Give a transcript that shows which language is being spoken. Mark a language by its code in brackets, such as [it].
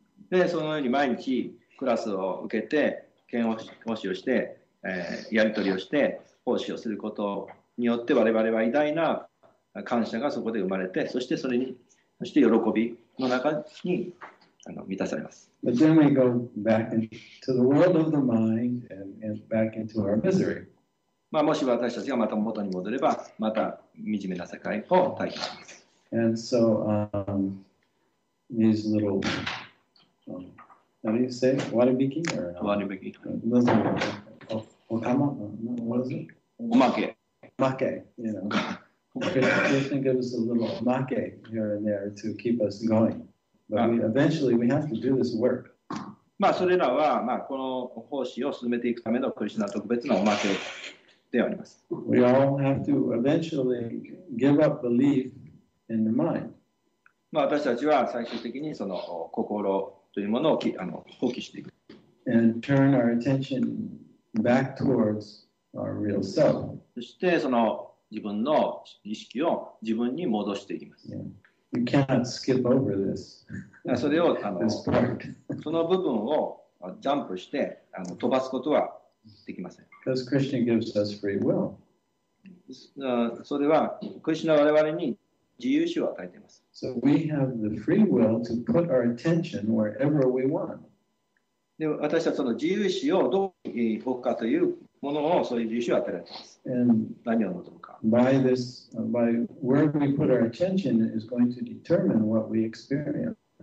[ja] で、そのように毎日クラスを受けて、献奉仕をして、やり取りをして、奉仕をすることによって、我々は偉大な感謝がそこで生まれて、そしてそれに、そして喜びの中に満たされます。 [en] But then we go back into the world of the mind and back into our misery. [ja] まあ、もし私たちがまた元に戻れば、また惨めな世界を体験します。 [en] And so, these little, how do you say, waribiki? Waribiki. Those are, okama? What is it? Omake. Omake, you know. Krishna gives us a little omake here and there to keep us going. But eventually we have to do this work. [ja] まあそれらはまあこの奉仕を進めていくためのクリシナ特別なおまけであります。 [en] We all have to eventually give up belief in the mind. [ja] まあ私たちは最終的にその心というものを放棄していく。 [en] And turn our attention back towards our real self. [ja] そしてその自分の意識を自分に戻していきます。 [en] Yeah. You can't skip over this. [ja] それを [en] this part. [ja] その部分をジャンプして飛ばすことはできません。 [en] Because Krishna gives us free will. [ja] それはクリシナは我々に自由意志を与えています。 [en] So we have the free will to put our attention wherever we want. [ja] で、私たちはその自由意志をどこに置くかというものをそういう自由意志を与えられています。 [en] And [ja] 何を望むか。 [en] By this, by where we put our attention is going to determine what we experience.